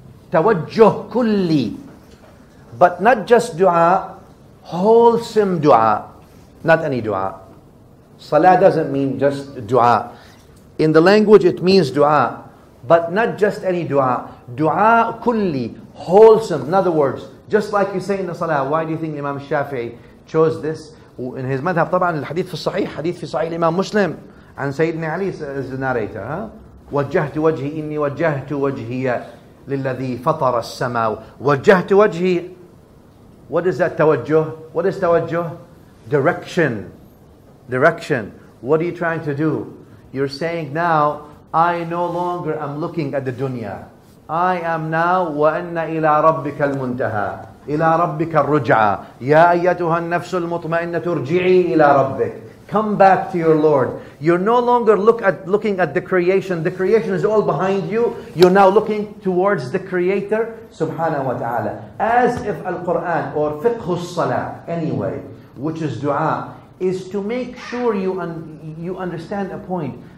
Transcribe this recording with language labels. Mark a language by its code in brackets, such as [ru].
[en] Tawajjuh kulli. But not just dua, wholesome dua. Not any dua. Salah doesn't mean just dua. In the language it means dua. But not just any dua. Dua kulli. Wholesome. In other words, just like you say in the salah, why do you think Imam Shafi'i chose this? In his madhab, [ar] طبعاً الحديث في الصحيح, حديث في صحيح الإمام مسلم, عن سيدنا علي [en] is the narrator. [ar] وجهت وجهي إني وجهت وجهي للذي فطر السماء. وجهت وجهي. [en] What is that توجه? What is توجه? Direction. Direction. What are you trying to do? You're saying now, I no longer am looking at the dunya. I am now [ar] وَأَنَّ إِلَىٰ رَبِّكَ الْمُنْتَهَىٰ إِلَىٰ رَبِّكَ الرُّجْعَىٰ يَا أَيَّتُهَا النَّفْسُ الْمُطْمَئِنَّةُ ارْجِعِي إِلَىٰ رَبِّكَ [en] Come back to your Lord. You're no longer looking at the creation. The creation is all behind you. You're now looking towards the Creator, subhanahu wa ta'ala. As if Al-Qur'an or fiqh al-salah, anyway, which is dua, is to make sure you understand a point.